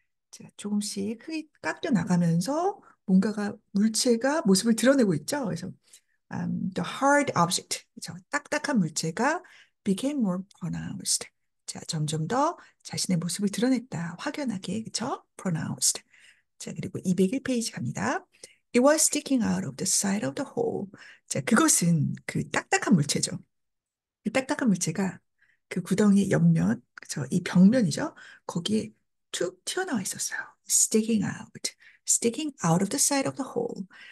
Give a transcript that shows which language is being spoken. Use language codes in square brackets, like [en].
[ko] 자, 조금씩 흙이 깎여 나가면서 뭔가가, 물체가 모습을 드러내고 있죠. 그래서 [en] the hard object, [ko] 그렇죠? 딱딱한 물체가 [en] became more pronounced. [ko] 자, 점점 더 자신의 모습을 드러냈다. 확연하게, 그쵸? Pronounced. 자, 그리고 201페이지 갑니다. [en] It was sticking out of the side of the hole. [ko] 자, 그것은 그 딱딱한 물체죠. 그 딱딱한 물체가 그 구덩이의 옆면, 그쵸? 이 벽면이죠? 거기에 툭 튀어나와 있었어요. [en] Sticking out. Sticking out of the side of the hole.